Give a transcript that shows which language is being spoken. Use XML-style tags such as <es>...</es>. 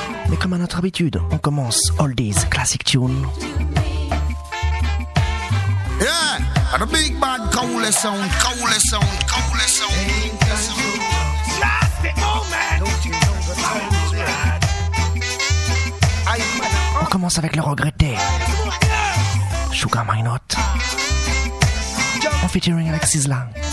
<fr>Mais comme à notre habitude, on commence Oldies Classic Tune.</fr> <en>Yeah, the big bad cowley sound, cowley sound, cowley sound.</en> <fr>On commence avec le regretté Sugar My Note en featuring avec Sizzla.</fr>